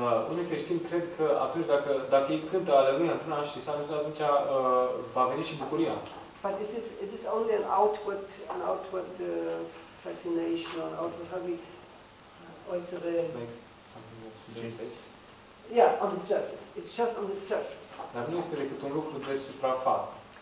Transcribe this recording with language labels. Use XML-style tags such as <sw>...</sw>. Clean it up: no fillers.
<ro>Unii creștini cred că atunci dacă ei cântă aleluia într-una și s-a ajuns, atunci va veni și bucuria.</ro> <en>But it is only an outward fascination, or outward hobby. It makes something of surface. Yeah, on the surface. It's just on the surface.</en> <ro>Dar nu este decât un lucru de suprafață.</ro>